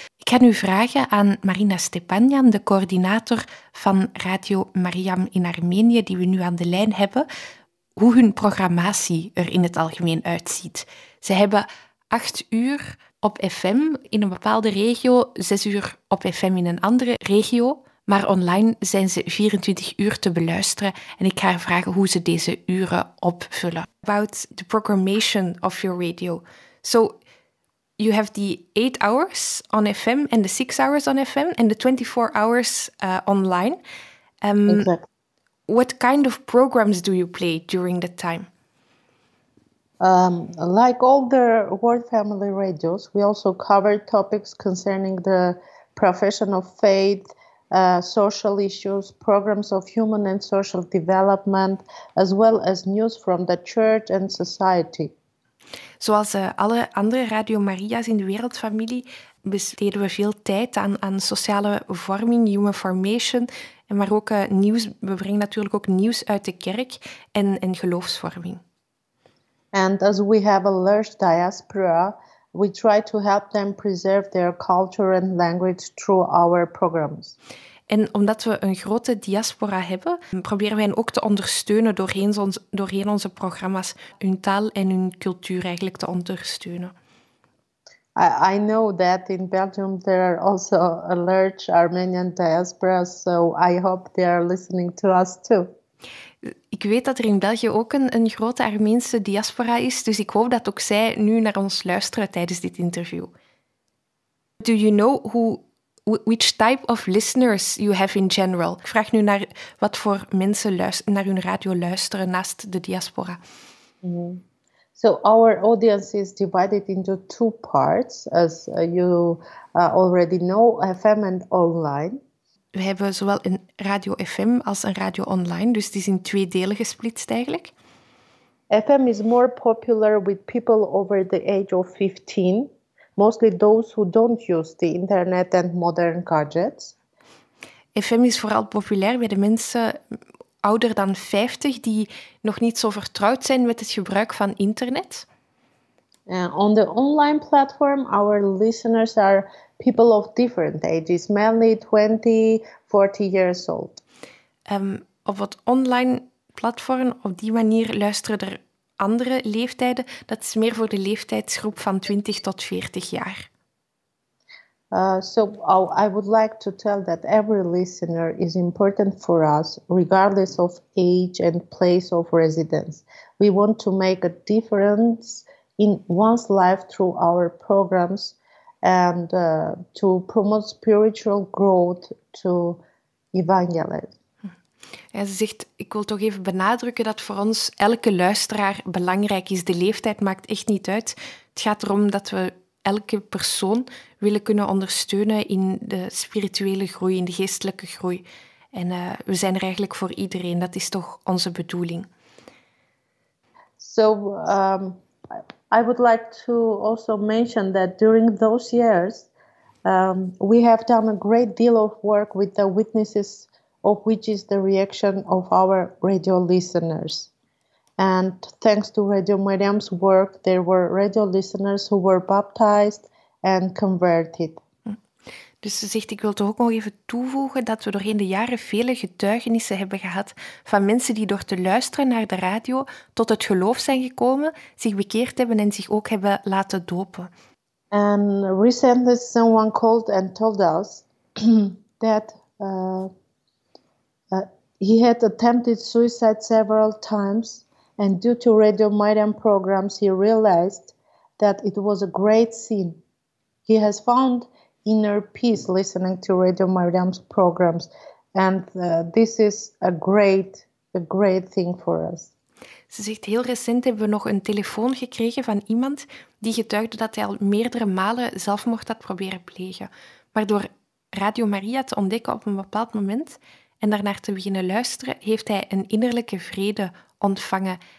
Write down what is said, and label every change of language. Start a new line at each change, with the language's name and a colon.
Dutch: Ik ga nu vragen aan Marina Stepanian, de coördinator van Radio Mariam in Armenië, die we nu aan de lijn hebben, hoe hun programmatie er in het algemeen uitziet. Ze hebben 8 uur op FM in een bepaalde regio, 6 uur op FM in een andere regio, maar online zijn ze 24 uur te beluisteren en ik ga haar vragen hoe ze deze uren opvullen.
English: About the programmation of your radio. So you have the 8 hours on FM and the 6 hours on FM and the 24 hours online. Exactly. What kind of programs do you play during that time? Like all the World Family Radios, we also cover topics concerning the profession of faith, social issues, programs of human and social development, as well as news from the church and society.
Dutch: Zoals alle andere Radio Maria's in de wereldfamilie besteden we veel tijd aan sociale vorming,
English: human formation,
Dutch: maar ook nieuws. We brengen natuurlijk ook nieuws uit de kerk en geloofsvorming.
English: And as we have a large diaspora, we try to help them preserve their culture and language through our programs.
Dutch: En omdat we een grote diaspora hebben, proberen wij hen ook te ondersteunen doorheen onze programma's, hun taal en hun cultuur eigenlijk te ondersteunen.
English: I know that in Belgium there are also a large Armenian diaspora, so I hope they are listening to us too.
Dutch: Ik weet dat er in België ook een grote Armeense diaspora is, dus ik hoop dat ook zij nu naar ons luisteren tijdens dit interview.
English: Do you know which type of listeners you have in general?
Dutch: Ik vraag nu naar wat voor mensen naar hun radio luisteren naast de diaspora.
English: So our audience is divided into two parts, as you already know, FM and online.
Dutch: We hebben zowel een radio FM als een radio online, dus die is in twee delen gesplitst eigenlijk.
English: FM is more popular with people over the age of 15, mostly those who don't use the internet and modern gadgets.
Dutch: FM is vooral populair bij de mensen ouder dan 50 die nog niet zo vertrouwd zijn met het gebruik van internet.
English: On the online platform, our listeners are people of different ages, mainly 20, 40 years old.
Dutch: Op het online platform, op die manier luisteren er andere leeftijden. Dat is meer voor de leeftijdsgroep van 20 tot 40 jaar.
English: I would like to tell that every listener is important for us, regardless of age and place of residence. We want to make a difference in one's life through our programs and to promote spiritual growth to evangelize.
Dutch: Ja, ze zegt, ik wil toch even benadrukken dat voor ons elke luisteraar belangrijk is. De leeftijd maakt echt niet uit. Het gaat erom dat we elke persoon willen kunnen ondersteunen in de spirituele groei, in de geestelijke groei. En we zijn er eigenlijk voor iedereen. Dat is toch onze bedoeling.
English: So, I would like to also mention that during those years, we have done a great deal of work with the witnesses, of which is the reaction of our radio listeners. And thanks to Radio Mariam's work, there were radio listeners who were baptized and converted.
Dutch: Dus ze zegt, ik wil toch ook nog even toevoegen dat we doorheen de jaren vele getuigenissen hebben gehad van mensen die door te luisteren naar de radio tot het geloof zijn gekomen, zich bekeerd hebben en zich ook hebben laten dopen.
English: And recently someone called and told us that he had attempted suicide several times and due to Radio Mariam programs he realized that it was a great sin. He has found inner peace listening to Radio Mariam's programs. And this is a great thing for us.
Dutch: Ze zegt, heel recent hebben we nog een telefoon gekregen van iemand die getuigde dat hij al meerdere malen zelfmoord had proberen plegen. Maar door Radio Maria te ontdekken op een bepaald moment en daarnaar te beginnen luisteren, heeft hij een innerlijke vrede ontvangen.